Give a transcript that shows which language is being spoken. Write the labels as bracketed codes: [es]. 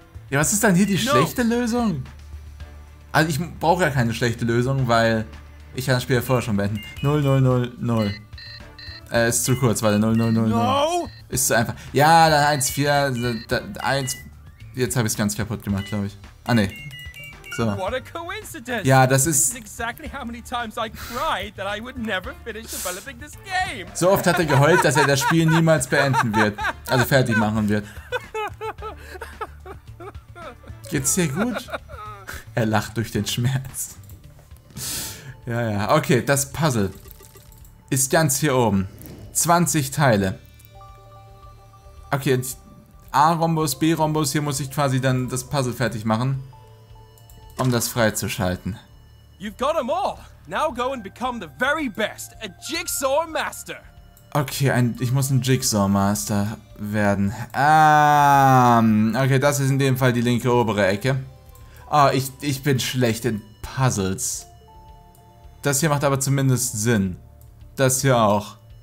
[de] Ja, was ist denn hier die schlechte Lösung? Also ich brauche ja keine schlechte Lösung, weil ich kann das Spiel ja vorher schon beenden. 0-0-0-0. Ist zu kurz, warte. 0-0-0-0. [en] No! [de] Ist zu einfach. Ja, dann 1-4. 1. Jetzt habe ich es ganz kaputt gemacht, glaube ich. Ah, ne. So. [en] What a coincidence. [de] Ja, das ist... [en] This is exactly how many times I cried that I would never finish developing this game. [de] So oft hat er geheult, dass er das Spiel niemals beenden wird. Also fertig machen wird. Geht's dir gut? Er lacht durch den Schmerz. Ja, ja. Okay, das Puzzle ist ganz hier oben. 20 Teile. Okay, A-Rhombus, B-Rhombus. Hier muss ich quasi dann das Puzzle fertig machen, um das freizuschalten. [en] You've got them all. Now go and become the very best, a Jigsaw Master. [de] Okay, ich muss ein Jigsaw-Master werden. Okay, das ist in dem Fall die linke obere Ecke. Oh, ich bin schlecht in Puzzles. Das hier macht aber zumindest Sinn. Das hier auch.